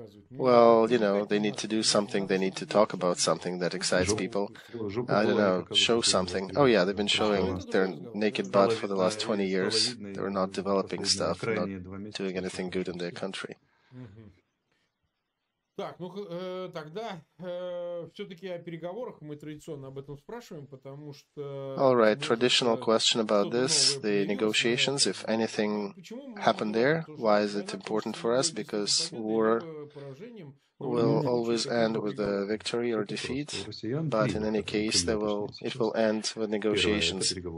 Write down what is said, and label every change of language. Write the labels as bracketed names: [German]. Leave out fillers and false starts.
[English] Well, you know, they need to do something, they need to talk about something that excites people. I don't know, show something. Oh yeah, they've been showing their naked butt for the last 20 years. They're not developing stuff, not doing anything good in their country. [Russian] Так, ну тогда все-таки о переговорах мы традиционно об этом спрашиваем, потому что. [English] All right, traditional question about this, the negotiations. If anything happened there, why is it important for us? Because war will always end with a victory or defeat, but in any case, it will end with negotiations.